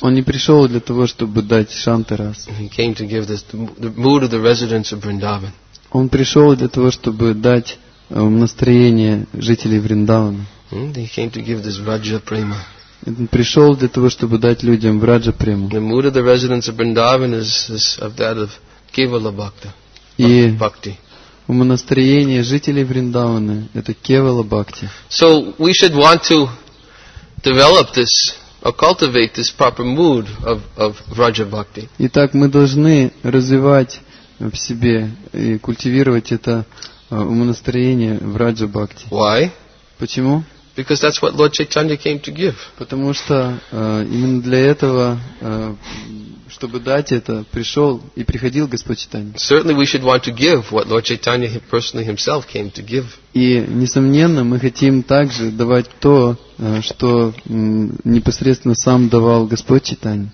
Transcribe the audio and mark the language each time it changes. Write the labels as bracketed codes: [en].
[ru] Он не пришел для того, чтобы дать Шантарас. [en] He came to give the mood of the residents of Vrindavan. [ru] Он пришел для того, чтобы дать настроение жителей Вриндавана. [en] He came to give this Raja Prema. [ru] Он пришел для того, чтобы дать людям Раджа Прему. [en] The mood of the residents of Vrindavan is of that of Kevala Bhakti. [ru] И настроение жителей Вриндавана это Кевала Бхакти. [en] So we should want to develop this or cultivate this proper mood of Raja Bhakti. [ru] Итак, мы должны развивать в себе и культивировать это умонастроение в Раджа Бхакти. [en] Why? [ru] Почему? [en] Because that's what Lord Chaitanya came to give. [ru] Потому что именно для этого, чтобы дать это, пришел и приходил Господь Чайтанья. [en] Certainly we should want to give what Lord Chaitanya personally himself came to give. [ru] И несомненно, мы хотим также давать то, что непосредственно сам давал Господь Чайтанья.